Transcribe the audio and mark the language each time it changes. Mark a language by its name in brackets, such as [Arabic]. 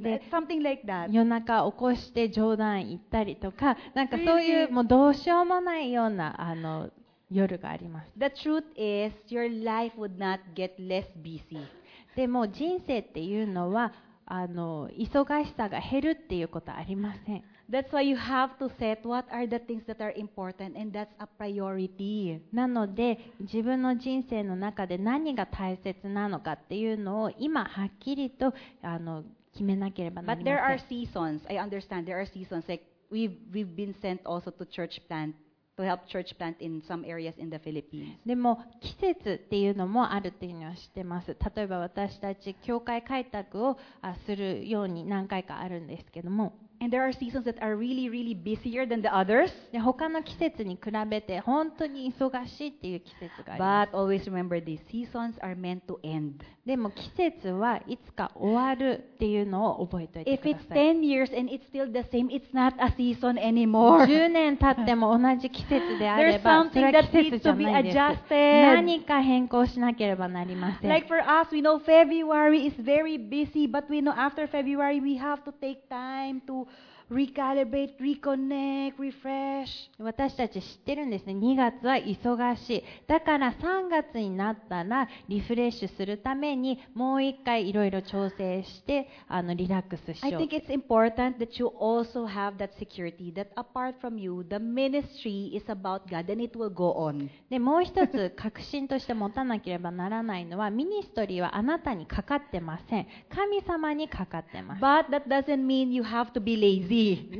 [English] Something like that. [Japanese] 夜中起こして冗談言ったりとか、なんかそういうもうどうしようもないような夜があります。 [English] The truth is your life would not get less busy. [Japanese] でも人生っていうのは忙しさが減るっていうことはありません。 [English] That's why you have to set what are the things that are important and that's a priority. [Japanese] なので自分の人生の中で何が大切なのかっていうのを今はっきりと決めなければなりません。 [English] But there are seasons. I understand there are seasons. Like we've been sent also to church plant. To help church plant in some areas in the Philippines. [Japanese] でも季節っていうのもあるっていうのは知ってます。例えば私たち教会開拓をするように何回かあるんですけども。 [English] And there are seasons that are really, really busier than the others. [Japanese] で他の季節に比べて本当に忙しいっていう季節があります。 [English] But always remember these seasons are meant to end. [Japanese] でも季節はいつか終わるっていうのを覚えておいてください。 [English] If it's 10 years and it's still the same, it's not a season anymore. [Japanese] 10年経っても同じ季節であれば、それは季節じゃないです。 [English] There's something that needs to be adjusted. [Japanese] 何か変更しなければなりません。 [English] Like for us, we know February is very busy, but we know after February we have to take time to Recalibrate, reconnect, refresh. [Japanese] 私たち知ってるんですね。2月は忙しい。だから3月になったらリフレッシュするためにもう一回いろいろ調整してリラックスしよう。 [English] I think it's important that you also have that security that apart from you, the ministry is about God and it will go on. [Japanese] でもう一つ確信として持たなければならないのはミニストリーはあなたにかかってません。神様にかかってます。 [English] But that doesn't mean you have to be lazy.